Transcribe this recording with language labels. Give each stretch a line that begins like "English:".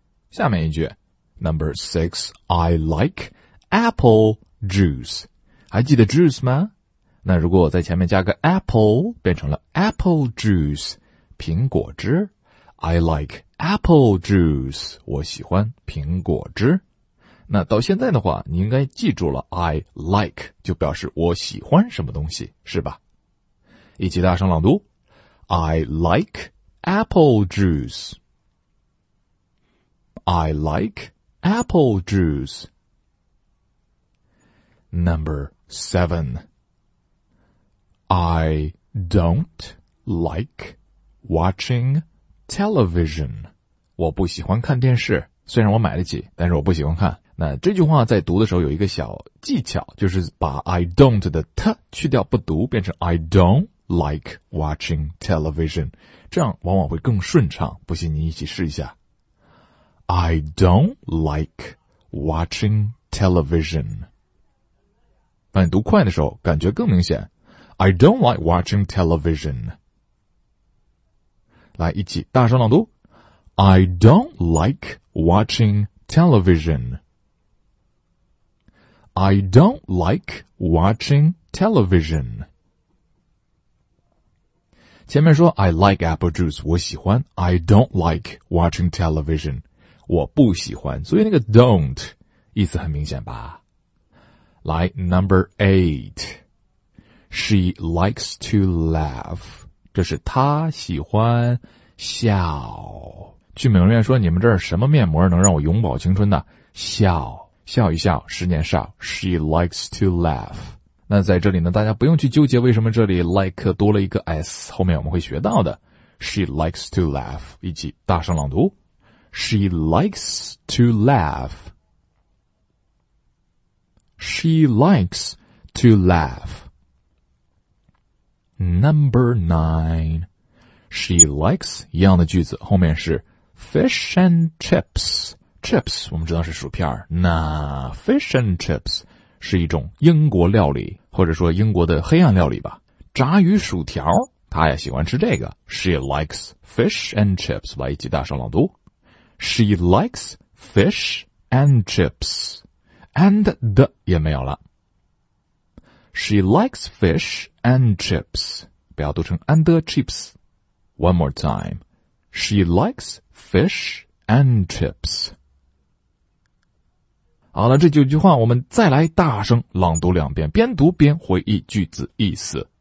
Chinese: 下面一句 Number six.
English: I like apple juice.
Chinese: 还记得 juice 吗？那如果我在前面加个 apple， 变成了 apple juice， 苹果汁。
English: I like apple juice，
Chinese: 我喜欢苹果汁。那到现在的话，你应该记住了 I like 就表示我喜欢什么东西，是吧？一起大声朗读。
English: I like apple juice. I like apple juice. Number seven. I don't like watching television.
Chinese: 我不喜欢看电视，虽然我买得起，但是我不喜欢看。那这句话在读的时候有一个小技巧，就是把 I don't 的 t 去掉不读，变成
English: I don't like watching television，
Chinese: 这样往往会更顺畅。不信你一起试一下。
English: I don't like watching television。
Chinese: 那你读快的时候感觉更明显。
English: I don't like watching television。
Chinese: 来，一起大声朗读。
English: I don't like watching television。 I don't like watching television.
Chinese: 前面说
English: I like apple juice，
Chinese: 我喜欢。
English: I don't like watching television，
Chinese: 我不喜欢。所以那个 don't 意思很明显吧？
English: 来 ，number eight， she likes to laugh，
Chinese: 这是她喜欢笑。去美容院说你们这儿什么面膜能让我永葆青春呢？笑，笑一笑，十年少。
English: She likes to laugh。
Chinese: 那在这里呢，大家不用去纠结为什么这里 like 多了一个 s， 后面我们会学到的。 She likes to laugh，一起大声朗读。 She likes to laugh。
English: She likes to laugh. Number 9. She likes
Chinese: 一样的句子，后面是
English: fish and chips.
Chinese: Chips 我们知道是薯片，那 fish and chips 是一种英国料理，或者说英国的黑暗料理吧，炸鱼薯条，她也喜欢吃这个。
English: She likes fish and chips，
Chinese: 来一起大声朗读。
English: She likes fish and chips。
Chinese: And 的也没有了。
English: She likes fish and chips.
Chinese: 不要读成
English: and chips. One more time. She likes fish and chips.
Chinese: 好了，这九句话我们再来大声朗读两遍，边读边回忆句子意思。